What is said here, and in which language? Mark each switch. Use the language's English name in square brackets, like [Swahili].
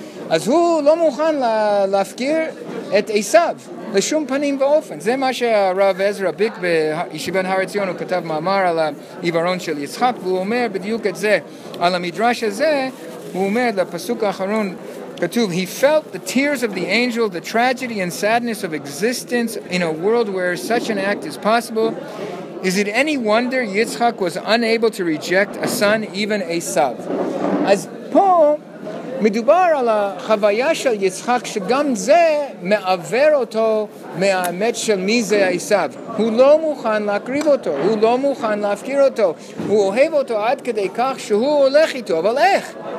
[Hebrew] אז הוא לא מוכן להפקיר את עשיו לשום פנים ואופן. זה מה שהרב עזרא ביק בישיבת הר ציון, הוא כתב מאמר על העיוורון של יצחק, והוא אומר בדיוק את זה על המדרש הזה. הוא אומר לפסוק האחרון, כתוב, [English] he felt the tears of the angel, the tragedy and sadness of existence in a world where such an act is possible. Is it any wonder Yitzchak was unable to reject a son, even Esav? [Hebrew] אז פה מדובר על החוויה של יצחק, שגם זה מעבר אותו מהאמת של מי זה עשיו. הוא לא מוכן להקריב אותו, הוא לא מוכן להפקיר אותו, הוא אוהב אותו עד כדי כך שהוא הולך איתו. אבל איך?